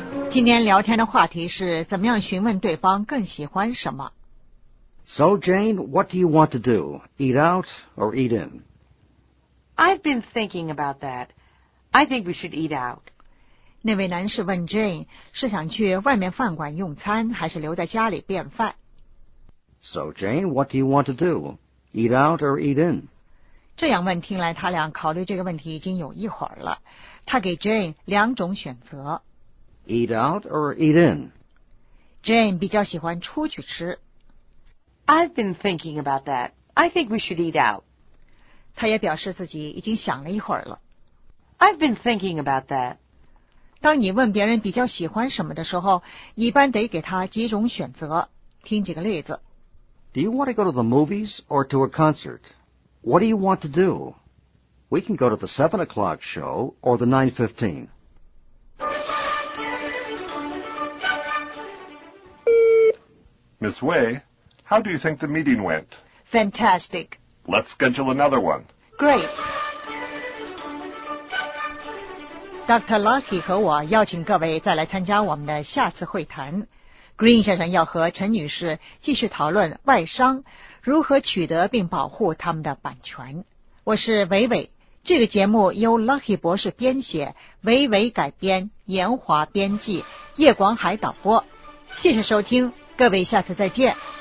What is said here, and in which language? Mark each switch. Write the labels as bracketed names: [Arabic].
[Chinese] 今天聊天的话题是怎么样询问对方更喜欢什么。 [English] So Jane, what do you want to do? Eat out or eat in? I've been thinking about that. I think we should eat out. [Chinese] 那位男士问 Jane, 是想去外面饭馆用餐还是留在家里便饭。 [English] So Jane, what do you want to do? Eat out or eat in? [Chinese] 这样问听来他俩考虑这个问题已经有一会儿了。他给 Jane 两种选择。 [English] Eat out or eat in? [Chinese] Jane 比较喜欢出去吃。 [English] I've been thinking about that. I think we should eat out. [Chinese] 他也表示自己已经想了一会儿了。 [English] I've been thinking about that. [Chinese] 当你问别人比较喜欢什么的时候，一般得给他几种选择。听几个例子。 [English] Do you want to go to the movies or to a concert? What do you want to do? We can go to the 7 o'clock show or the 9:15. Miss Wei, how do you think the meeting went? Fantastic. Let's schedule another one. Great. Dr. [Chinese] Lucky 和我邀请各位再来参加我们的下次会谈。 Green 先生要和陈女士继续讨论外商如何取得并保护他们的版权。我是伟伟，这个节目由 Lucky 博士编写，伟伟改编，严华编辑，叶广海导播。谢谢收听。各位下次再见。